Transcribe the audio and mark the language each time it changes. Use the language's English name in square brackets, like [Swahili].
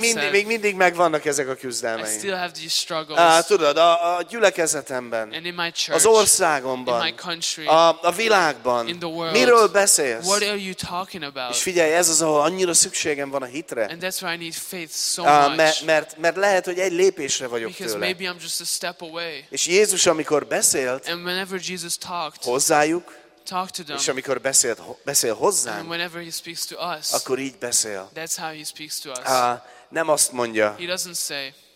[Hungarian] Még mindig megvannak ezek a küzdelmeim. [English] I still have these struggles. [Hungarian] Tudod, a gyülekezetemben, [English] and in my church, [Hungarian] az országomban, [English] in my country, [Hungarian] a világban, [English] in the world, [Hungarian] miről beszélsz? [English] What are you talking about? [Hungarian] És figyelj, ez az, ahol annyira szükségem van a hitre. [English] And that's why I need faith so much. [Hungarian] Mert lehet, hogy egy lépésre vagyok [English] because [Hungarian] tőle. [English] Maybe I'm just a step away. [Hungarian] És Jézus, amikor beszélt, [English] and whenever Jesus talked, [Hungarian] hozzájuk, [English] talk to them. [Hungarian] És amikor beszél hozzám, [English] and whenever he speaks to us, [Hungarian] akkor így beszél. [English] That's how he speaks to us. [Hungarian] Nem azt mondja. [English] He doesn't say,